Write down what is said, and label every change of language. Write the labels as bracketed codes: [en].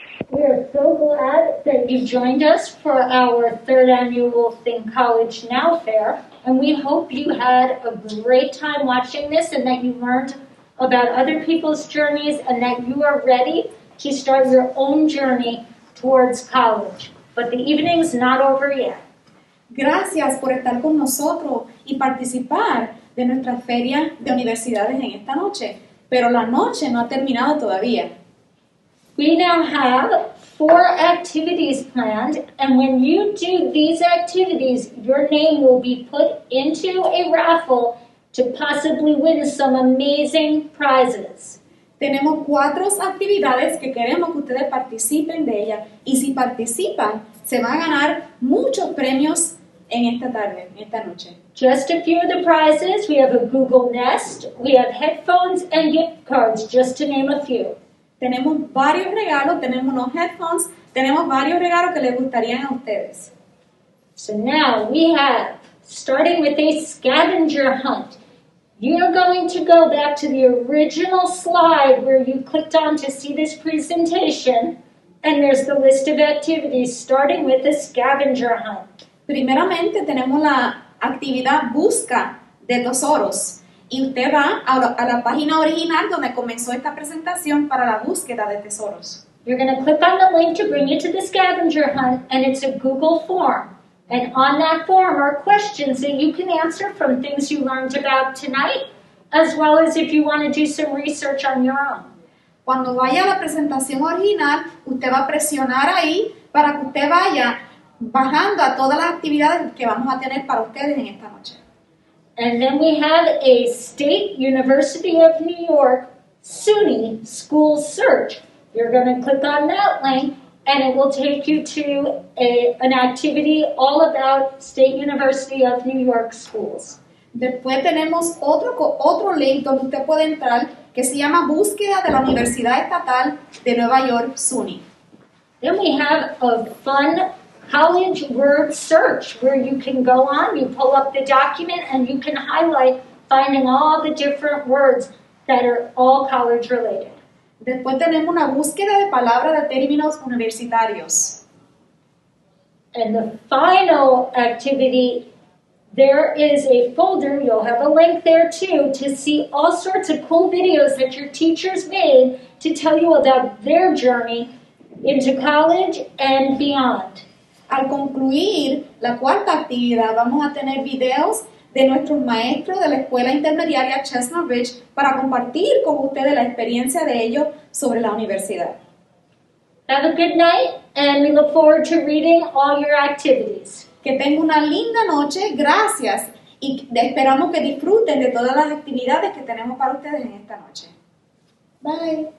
[en] We are so glad that you joined us for our 3rd annual Think College Now Fair, and we hope you had a great time watching this and that you learned about other people's journeys and that you are ready to start your own journey towards college. But the evening's not over yet. [es] Gracias por estar con nosotros y participar de nuestra feria de universidades en esta noche. Pero la noche no ha terminado todavía. [en] We now have 4 activities planned, and when you do these activities, your name will be put into a raffle to possibly win some amazing prizes. [es] Tenemos 4 actividades que queremos que ustedes participen de ellas, y si participan, se van a ganar muchos premios en esta tarde, en esta noche. [en] Just a few of the prizes, we have a Google Nest, we have headphones and gift cards, just to name a few. [es] Tenemos varios regalos, tenemos unos headphones, tenemos varios regalos que les gustarían a ustedes. [en] So now we have, starting with a scavenger hunt, you're going to go back to the original slide where you clicked on to see this presentation, and there's the list of activities starting with a scavenger hunt. [es] Primeramente tenemos la actividad busca de tesoros. Y usted va a la página original donde comenzó esta presentación para la búsqueda de tesoros. [en] You're going to click on the link to bring you to the scavenger hunt, and it's a Google form. And on that form are questions that you can answer from things you learned about tonight, as well as if you want to do some research on your own. [es] Cuando vaya a la presentación original, usted va a presionar ahí para que usted vaya bajando a todas las actividades que vamos a tener para ustedes en esta noche. [en] And then we have a State University of New York SUNY school search. You're going to click on that link, and it will take you to an activity all about State University of New York schools. [es] Después tenemos otro link donde usted puede entrar que se llama Búsqueda de la Universidad Estatal de Nueva York, SUNY. [en] Then we have a fun college word search, where you can go on, you pull up the document, and you can highlight finding all the different words that are all college related. [es] Después tenemos una búsqueda de palabras de términos universitarios. [en] And the final activity, there is a folder, you'll have a link there too, to see all sorts of cool videos that your teachers made to tell you about their journey into college and beyond. [es] Al concluir la cuarta actividad, vamos a tener videos de nuestros maestros de la Escuela Intermediaria Chestnut Ridge para compartir con ustedes la experiencia de ellos sobre la universidad. [en] Have a good night, and we look forward to reading all your activities. [es] Que tengan una linda noche, gracias, y esperamos que disfruten de todas las actividades que tenemos para ustedes en esta noche. Bye.